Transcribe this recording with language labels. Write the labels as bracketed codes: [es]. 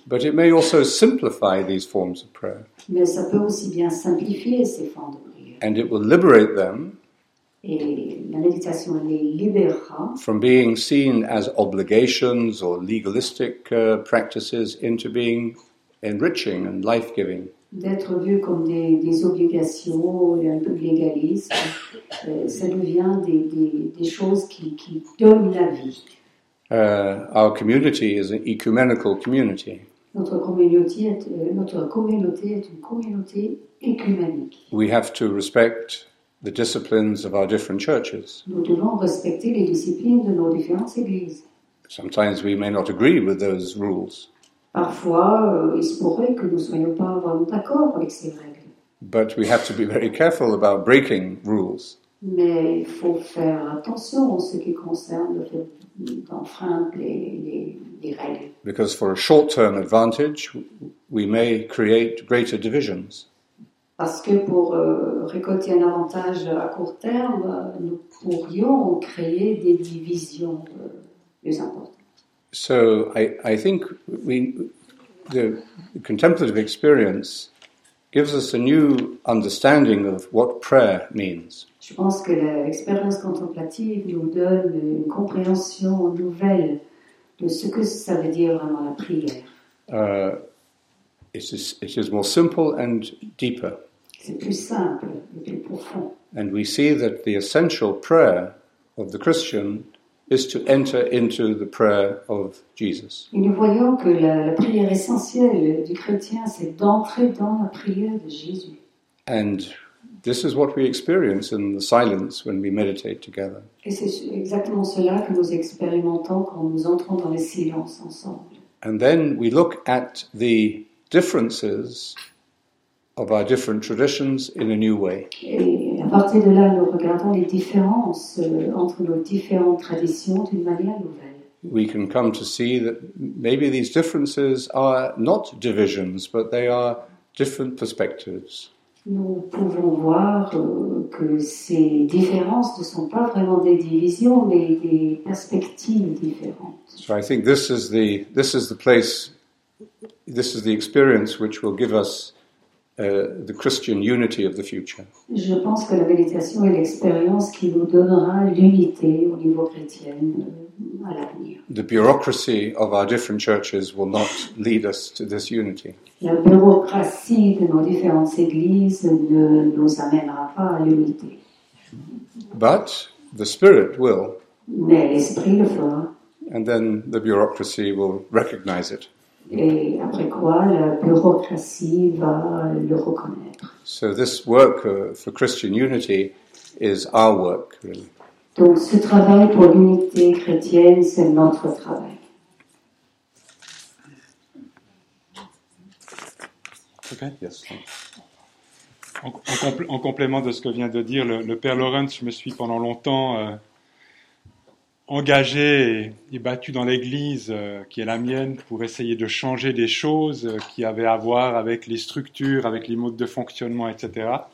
[en] But it may also simplify these forms of prayer. [fr] Mais ça peut aussi bien simplifier ces formes de prière. [en] And it will liberate them. [fr] Et la méditation les libérera. [en] From being seen as obligations or legalistic practices into being enriching and life-giving. [fr] D'être vu comme des obligations et un peu de légalisme, ça devient des choses qui donnent la vie. [en] Our community is an ecumenical community. [fr] Notre communauté est une communauté écuménique. [en] We have to respect the disciplines of our different churches. [fr] Nous devons respecter les disciplines de nos différentes églises. [en] Sometimes we may not agree with those rules. [fr] Parfois, il se pourrait que nous ne soyons pas vraiment d'accord avec ces règles. [en] But we have to be very careful about breaking rules. [fr] Mais il faut faire attention en ce qui concerne le fait d'enfreindre les règles. [en] Because for a short-term advantage, we may create greater divisions. [fr] Parce que pour récolter un avantage à court terme, nous pourrions créer des divisions plus importantes. [en] So I think the contemplative experience gives us a new understanding of what prayer means. [fr] Je pense que l'expérience contemplative nous donne une compréhension nouvelle de ce que ça veut dire vraiment la prière. [en] It is more simple and deeper. [fr] C'est plus simple et plus profond. [en] And we see that the essential prayer of the Christian is to enter into the prayer of Jesus. [fr] Et nous voyons que la prière essentielle du chrétien, c'est d'entrer dans la prière de Jésus. [en] And this is what we experience in the silence when we meditate together. [fr] Et c'est exactement cela que nous expérimentons quand nous entrons dans le silence ensemble. [en] And then we look at the differences of our different traditions in a new way. [fr] À partir de là, nous regardons les différences entre nos différentes traditions d'une manière nouvelle. [en] We can come to see that maybe these differences are not divisions, but they are different perspectives. [fr] Nous pouvons voir que ces différences ne sont pas vraiment des divisions, mais des perspectives différentes. [en] So I think this is the experience which will give us the Christian unity of the future. [fr] Je pense que la méditation est l'expérience qui nous donnera l'unité au niveau chrétien à l'avenir. [en] The bureaucracy of our different churches will not lead us to this unity. [fr] La bureaucratie de nos différentes églises ne nous amènera pas à l'unité. [en] But the Spirit will. [fr] Mais l'Esprit le fera. [en] And then the bureaucracy will recognize it. [fr] Et après quoi, la bureaucratie va le reconnaître. [en] So this work for Christian unity is our work, really. [fr] Donc ce travail pour l'unité chrétienne, c'est notre travail. [en] Okay. Yes. [fr] En complément de ce que vient de dire le Père Laurent, je me suis pendant longtemps engagé et battu dans l'Église qui est la mienne pour essayer de changer des choses qui avaient à voir avec les structures, avec les modes de fonctionnement, etc.